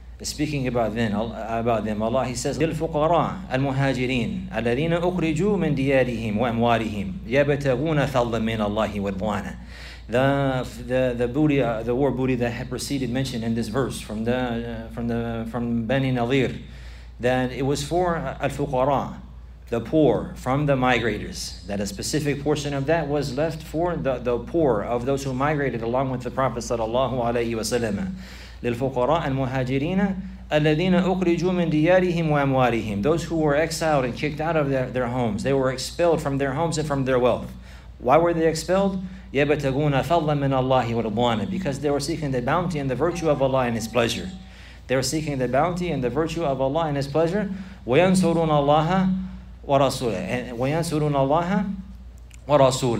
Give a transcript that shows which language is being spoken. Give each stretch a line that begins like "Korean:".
English: speaking about them, Allah, he says,
Arabic: الفقراء المهاجرين الذين أخرجوا من ديارهم وأموالهم يبتغون فضلا من الله ورضوانا.
English: The war booty that had preceded mentioned in this verse from Bani Nadir, that it was for al-fuqara, the poor, from the migrators. That a specific portion of that was left for the poor of those who migrated along with the Prophet sallallahu alaihi wasallam.
Arabic: للفقراء المهاجرين الذين أخرجوا من ديارهم وأموالهم.
English: Those who were exiled and kicked out of their homes, they were expelled from their homes and from their wealth. Why were they expelled?
Arabic: يَبْتَغُونَ فَضْلًا مِنَ اللَّهِ وَرِضْوَانًا.
English: Because they were seeking the bounty and the virtue of Allah and His pleasure. They were seeking the bounty and the virtue of Allah and His pleasure.
Arabic: وَيَنْصُرُونَ اللَّهَ وَرَسُولَهُ. وَيَنْصُرُونَ اللَّهَ وَرَسُولَهُ.